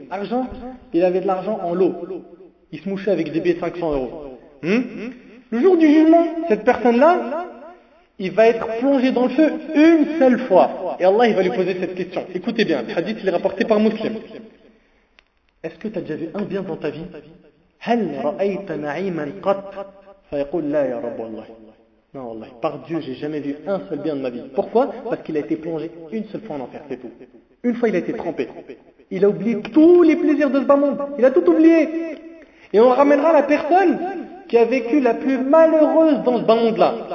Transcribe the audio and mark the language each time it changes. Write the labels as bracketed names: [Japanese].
[French] Argent, il avait de l'argent en lot. Il se mouchait avec des billets de 500 euros. Le jour du jugement, cette personne-là, il va être plongé dans le feu une seule fois. Et Allah, il va lui poser cette question. Écoutez bien, le hadith, il est rapporté par Muslim. Est-ce que tu as déjà vu un bien dans ta vie? [Arabic] هل رأيت نعيما قط فيقول لا يا رب الله. [French] Non, Allah, par Dieu, j'ai jamais vu un seul bien de ma vie. Pourquoi? Parce qu'il a été plongé une seule fois en enfer, c'est tout. Une fois, il a été trempé. Il a oublié tous les plaisirs de ce bas monde. Il a tout oublié. Et on ramènera la personne qui a vécu la plus malheureuse dans ce bas monde-là.